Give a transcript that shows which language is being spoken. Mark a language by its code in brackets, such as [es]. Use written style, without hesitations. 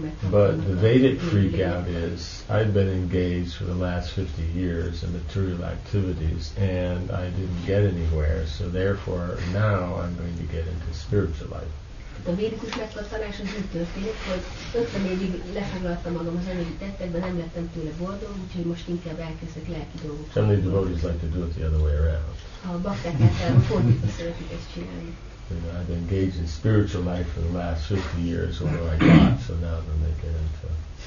[en] But the Vedic freak out is, I've been engaged for the last 50 years in material activities and I didn't get anywhere, so therefore now I'm going to get into spiritual life. [hu] A védikus megkattanás az úgy történik, hogy 50 évig lefoglaltam magam az anyagi tettekben, nem lettem tőle boldog, úgyhogy most inkább elkezdek lelki dolgokat. [en] How many devotees like to do it the other way around? [hu] A bakták általában fordítva szeretik ezt csinálni. [en] You know, I've engaged in spiritual life for the last 50 years, what do I got? So now I'm going to get into it.